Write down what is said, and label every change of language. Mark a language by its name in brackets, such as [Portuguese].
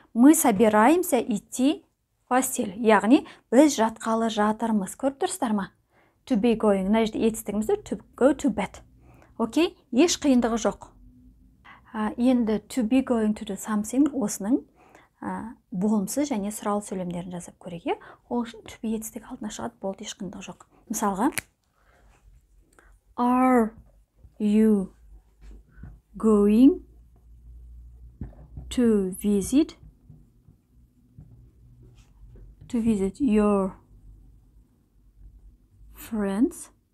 [Russian] Мы собираемся идти в постель. [Kazakh] Яғни, біз жатқалы жатырмыз. Көріп тұрсыздар ма? [English] To be going. [Kazakh] Мына жерде етістігімізді [English] to go to bed. [Kazakh] Окей? Еш қиындығы жоқ. Енді [English] to be going to do something [Kazakh] осының болымсыз және сұраулы сөйлемдерін жазып көрейік. Ол үшін to be етістік алдына шығады. Болды, еш қиындығы жоқ. Мысалға, [English] are you going to visit your friends?